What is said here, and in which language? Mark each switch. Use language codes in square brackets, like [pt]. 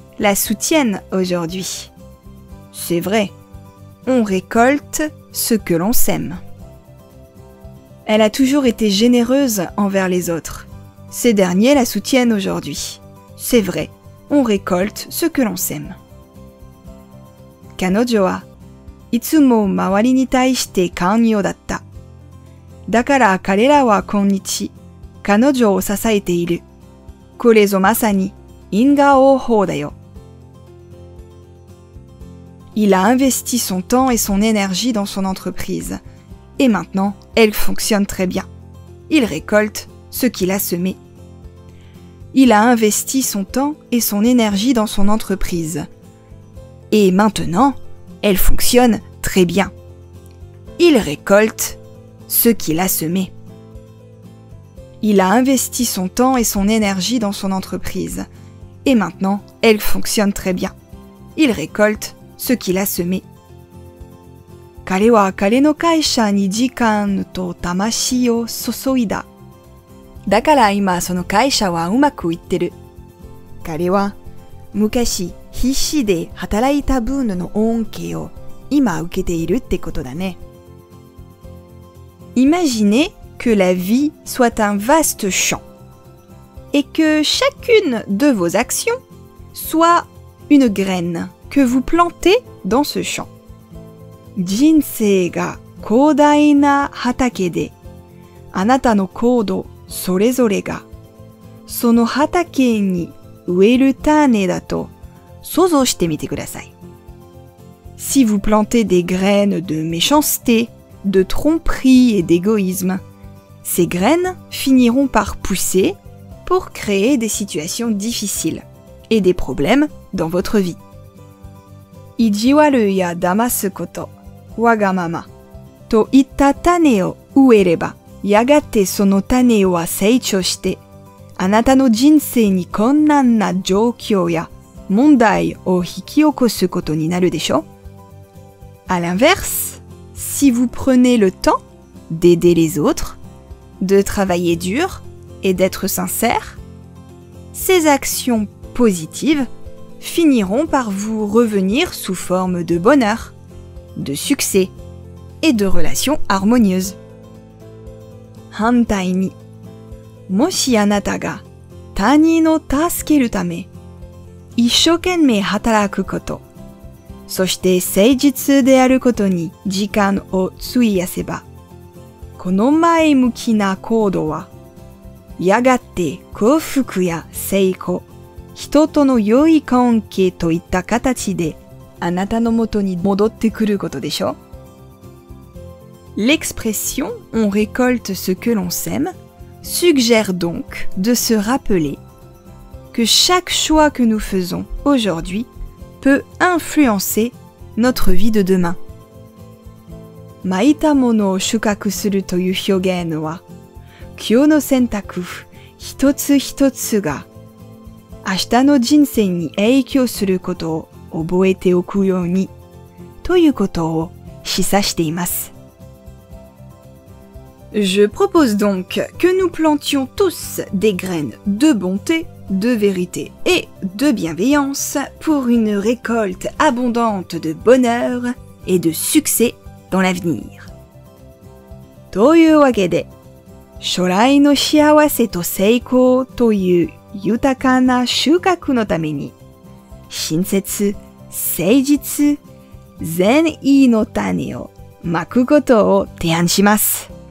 [fr] La soutiennent aujourd'hui. C'est vrai, on récolte ce que l'on sème. Elle a toujours été généreuse envers les autres. Ces derniers la soutiennent aujourd'hui. C'est vrai, on récolte ce que l'on sème. [ja] 彼女はいつも周りに対して寛容だった。だから彼らは今日彼女を支えている。これぞまさに因果報だよ。 [fr] Il a investi son temps et son énergie dans son entreprise. Et maintenant, elle fonctionne très bien. Il récolte ce qu'il a semé. Il a investi son temps et son énergie dans son entreprise. Et maintenant, elle fonctionne très bien. Il récolte ce qu'il a semé. Il a investi son temps et son énergie dans son entreprise. Et maintenant, elle fonctionne très bien. Il récolte ce qu'il a semé. [ja] 彼は彼の会社に時間と魂を注いだ。だから今その会社はうまくいってる。彼は昔必死で働いた分の恩恵を今受けているってことだね。 [fr] Imaginez que la vie soit un vaste champ et que chacune de vos actions soit une graine que vous plantez dans ce champ. [ja] 人生が広大な畑で、あなたの行動それぞれが、その畑に植える種だと想像してみてください。 [fr] Si vous plantez des graines de méchanceté, de tromperie et d'égoïsme, ces graines finiront par pousser pour créer des situations difficiles et des problèmes dans votre vie. [ja] 意地悪や騙すこと。わがままといった種を植えれば、やがてその種は成長して、あなたの人生に困難な状況や問題を引き起こすことになるでしょう。 [fr] À l'inverse, si vous prenez le temps d'aider les autres, de travailler dur et d'être sincère, ces actions positives finiront par vous revenir sous forme de bonheur. De succès et de relations harmonieuses. [ja] 反対に、もしあなたが他人を助けるため、一生懸命働くこと、そして誠実であることに時間を費やせば、この前向きな行動は、やがて幸福や成功、人との良い関係といった形で、あなたの元に戻ってくることでしょう。 [fr] L'expression « on récolte ce que l'on sème » suggère donc de se rappeler que chaque choix que nous faisons aujourd'hui peut influencer notre vie de demain. [ja] 「まいたものを収穫する」という表現は、今日の選択一つ一つが明日の人生に影響することを覚えておくようにということを示唆しています。 [fr] Je propose donc que nous plantions tous des graines de bonté, de vérité et de bienveillance pour une récolte abondante de bonheur et de succès dans l'avenir. [ja] というわけで、将来の幸せと成功という豊かな収穫のために、親切誠実、善意の種をまくことを提案します。